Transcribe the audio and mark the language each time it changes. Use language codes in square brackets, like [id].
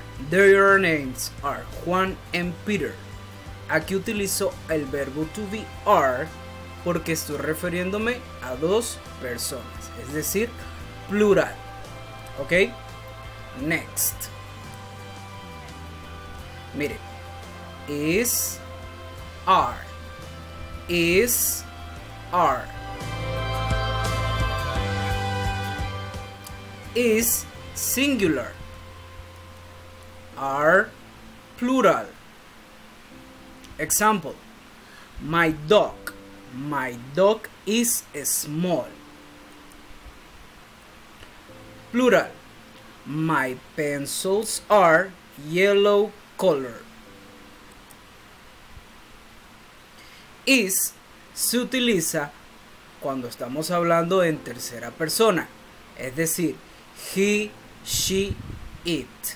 [en] Their names are Juan and Peter. [es] Aquí utilizo el verbo [en] to be are [es] porque estoy refiriéndome a dos personas, es decir, plural. [en] Ok, next. [es] Mire, [en] is, are, is, are. Is singular. Are plural. Example. My dog. My dog is small. Plural. My pencils are yellow color. [es] Is se utiliza cuando estamos hablando en tercera persona, es decir, [en] he, she, it.